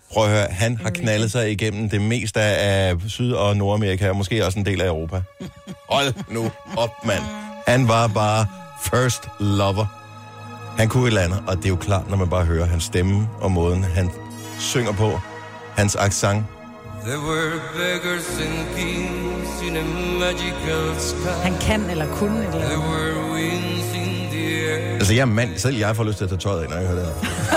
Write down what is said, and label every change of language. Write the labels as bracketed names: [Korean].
[Danish] Prøv at høre, han har knaldet sig igennem det meste af Syd- og Nordamerika, og måske også en del af Europa. Hold nu op, mand. Han var bare [English] first lover. [Danish] Han kunne et andet, og det er jo klart, når man bare hører hans stemme og måden, han synger på, hans accent. [English] There were beggars and kings in a magical sky. [Danish] Han kan eller kunne et eller andet. [English] There were winds in the air. [Danish] Altså, jeg er mand. Selv jeg får lyst til at tage tøjet af, når jeg hører det her.